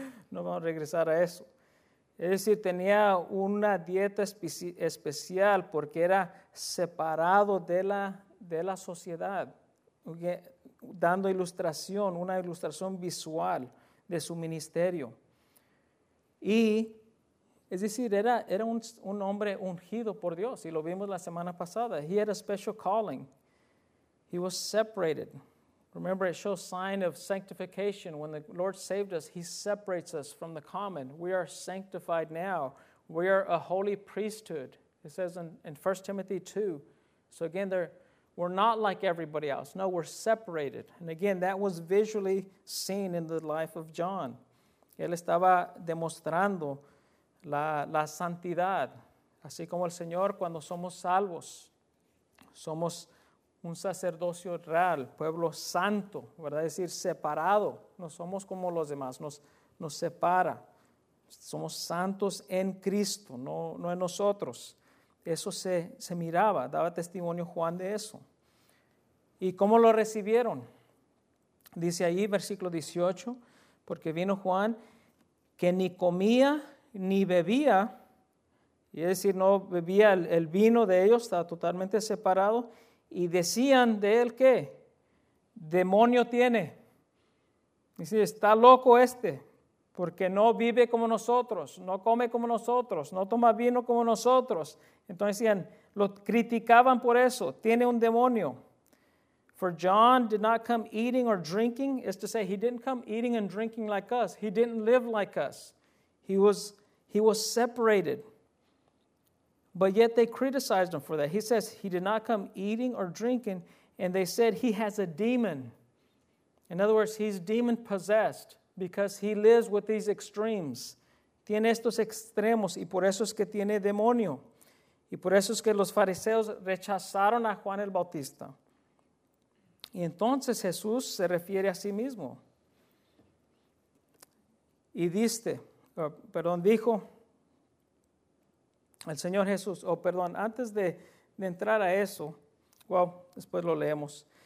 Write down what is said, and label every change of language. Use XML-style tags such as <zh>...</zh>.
<es>No vamos a regresar a eso. Es decir, tenía una dieta especial porque era separado de la sociedad, dando ilustración, una ilustración visual de su ministerio. Y, es decir, era un hombre ungido por Dios, y lo vimos la semana pasada.</es> <en>He had a special calling. He was separated. Remember, it shows sign of sanctification. When the Lord saved us, he separates us from the common. We are sanctified now. We are a holy priesthood. It says in 1 Timothy 2. So again, we're not like everybody else. No, we're separated. And again, that was visually seen in the life of John.</en> <es>Él estaba demostrando la santidad. Así como el Señor, cuando somos salvos, somos un sacerdocio real, pueblo santo, ¿verdad? Es decir, separado. No somos como los demás, nos separa. Somos santos en Cristo, no en nosotros. Eso se miraba, daba testimonio Juan de eso. ¿Y cómo lo recibieron? Dice ahí, versículo 18, porque vino Juan que ni comía ni bebía, y es decir, no bebía el vino de ellos, estaba totalmente separado, y decían de él que demonio tiene. Dice, está loco este, porque no vive como nosotros, no come como nosotros, no toma vino como nosotros. Entonces decían, lo criticaban por eso, tiene un demonio.</es> <en>For John did not come eating or drinking, is to say he didn't come eating and drinking like us. He didn't live like us. He was separated. But yet they criticized him for that. He says he did not come eating or drinking, and they said he has a demon. In other words, he's demon possessed because he lives with these extremes.</en> <es>Tiene estos extremos y por eso es que tiene demonio. Y por eso es que los fariseos rechazaron a Juan el Bautista. Y entonces Jesús se refiere a sí mismo. Y dijo el Señor Jesús, antes de entrar a eso, después lo leemos.</es>